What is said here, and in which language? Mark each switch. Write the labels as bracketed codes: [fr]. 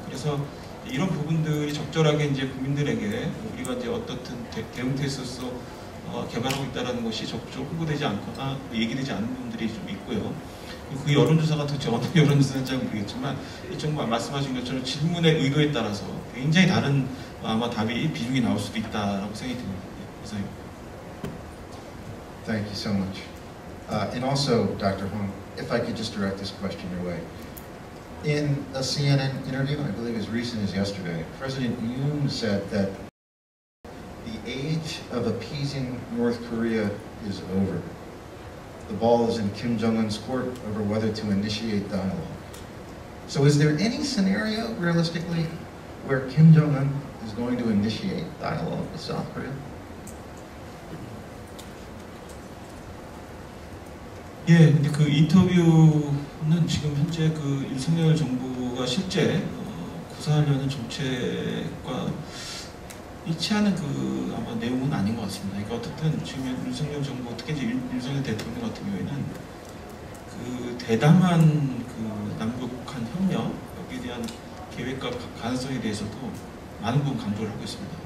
[ko] 그래서 이런 부분들이 적절하게 이제 국민들에게 우리가 이제 어떻든 대응태세로서 개발하고 있다는 것이 적절히 홍보되지 않거나 얘기되지 않은 부분들이 좀 있고요. 그 여론조사가 도대체 어떤 여론조사인지 모르겠지만 정말 말씀하신 것처럼 질문의 의도에 따라서 굉장히 다른 아마 답이 비중이 나올 수도 있다라고 생각이 듭니다. 이상입니다. [en] Thank you so much. And also, Dr. Hong, if I could just direct this question your way. In a CNN interview, I believe as recent as yesterday, President Yoon said that the age of appeasing North Korea is over. The ball is in Kim Jong-un's court over whether to initiate dialogue. So is there any scenario, realistically, where Kim Jong-un is going to initiate dialogue with South Korea? [ko] 예, 근데 그 인터뷰는 지금 현재 그 윤석열 정부가 실제 구사하려는 정책과 일치하는 그 아마 내용은 아닌 것 같습니다. 그러니까 어쨌든 지금 윤석열 정부, 특히 이제 윤석열 대통령 같은 경우에는 그 대담한 그 남북한 협력, 여기에 대한 계획과 가능성에 대해서도 많은 부분 강조를 하고 있습니다.